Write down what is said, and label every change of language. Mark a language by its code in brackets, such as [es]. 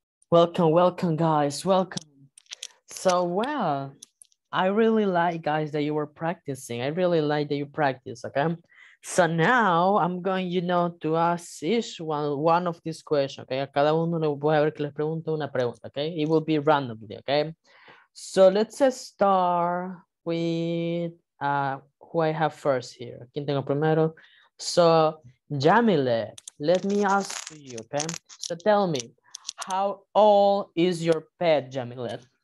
[en] Welcome guys, welcome. So well, I really like guys that you were practicing. I really like that you practice, okay? So now I'm going, you know, to ask each one of these questions, okay? [es] A cada uno le voy a ver que les pregunto una pregunta, okay? [en] It will be randomly, okay? So let's start with who I have first here. [es] ¿Quién tengo primero? [en] So, Jamile, let me ask you, okay? So tell me, how old is your pet, Jamile?